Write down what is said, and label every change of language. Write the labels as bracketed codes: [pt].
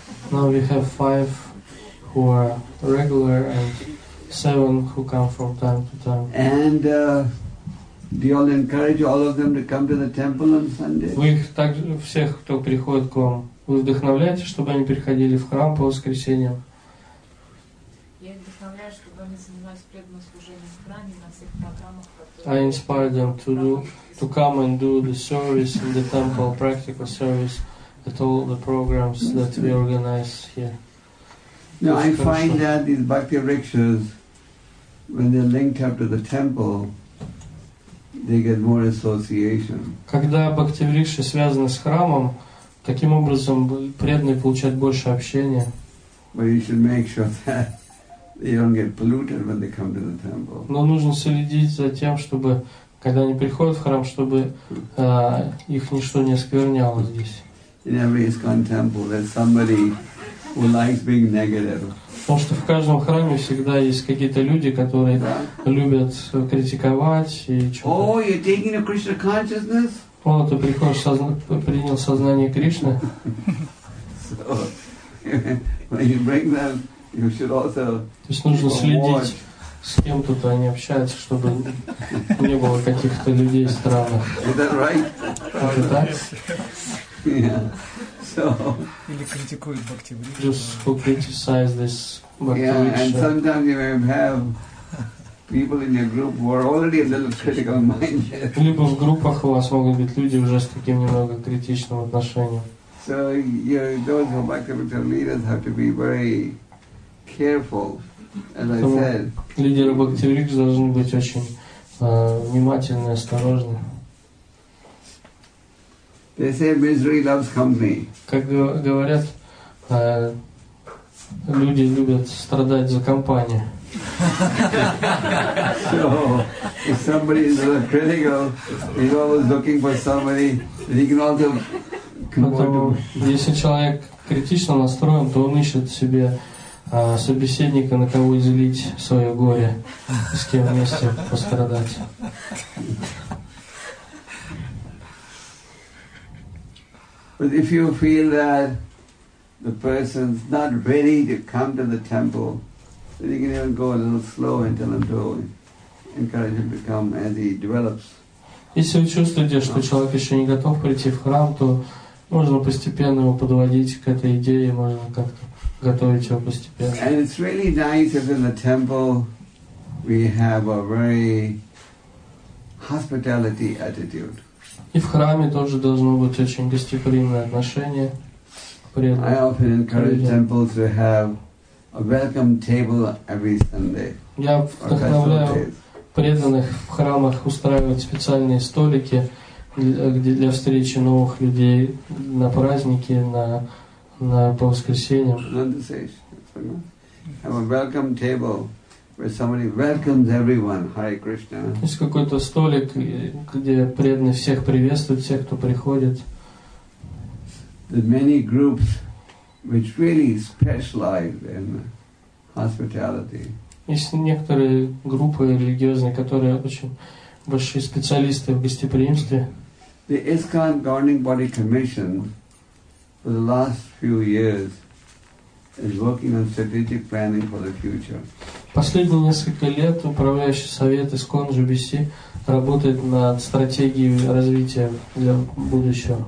[en] Now we have 5 who are regular and 7 who come from time to time. And do you all encourage all of them to come to the temple on Sunday? [ru] Вы их также всех, кто приходит к вам, вы вдохновляете, чтобы они приходили в храм по воскресеньям? Я вдохновляю, чтобы они занимались преданным служением в храме на всех программах. [en] I inspire them to come and do the service in the temple, practical service. At all the programs that we organize here. No, I find that these bhakti rikshas, when they're linked up to the temple, they get more association. [ru] Когда бхакти рикши связаны с храмом, таким образом преданные получают больше общения. [en] But you should make sure that they don't get polluted when they come to the temple. [ru] Но нужно следить за тем, чтобы когда они приходят в храм, чтобы их ничто не оскверняло здесь. [en] In every ISKCON temple, there's somebody who likes being negative. [ru] Потому что в каждом храме всегда есть какие-то люди, которые любят критиковать и что-то. [en] Oh, you're taking a Krishna consciousness? [ru] О, ты приходишь, принял сознание Кришны. [en] So, when you bring them, you should also. [ru] То есть нужно следить с кем тут они общаются, чтобы не было каких-то людей странных. [en] Is that right? [ru] Это так? Или критикуют Бхакти Вриксу. [en] Just who criticize this Бхакти Вриксу. Yeah, and sometimes you may have people in your group who are already a little critical minded. [ru] Либо в группах у вас могут быть люди уже с таким немного критичным отношением. [en] So you know, those who are Bhakti Vriksu leaders have to be very careful. [ru] Лидеры Бхакти Вриксу должны быть очень внимательны, осторожны. [en] They say misery loves company. [ru] Как говорят, люди любят страдать за компанию. [en] So, if somebody is a critical, he's always looking for somebody that he can also compare. [ru] Если человек критично настроен, то он ищет себе собеседника, на кого излить свое горе, с кем вместе пострадать. [en] But if you feel that the person's not ready to come to the temple, then you can even go a little slow and tell him to encourage him to come as he develops. [ru] Если вы чувствуете, что человек еще не готов прийти в храм, то можно постепенно его подводить к этой идее, можно как-то готовить его постепенно. [en] And it's really nice if in the temple we have a very hospitality attitude. [ru] И в храме тоже должно быть очень гостеприимное отношение. [en] I often encourage temples to have a welcome table every Sunday. [ru] Я вдохновляю преданных в храмах устраивать специальные столики для встречи новых людей на праздники, на по воскресеньям. [en] Have a welcome table where somebody welcomes everyone. Hare Krishna. [ru] Есть какой-то столик, где преданные всех приветствуют, всех, кто приходит. [en] The many groups which really specialize in hospitality. [ru] Есть некоторые группы религиозные, которые очень большие специалисты в гостеприимстве. [en] The ISKCON Governing Body Commission for the last few years is working on strategic planning for the future. [ru] Последние несколько лет управляющий совет ISKCON GBC работает над стратегией развития для будущего.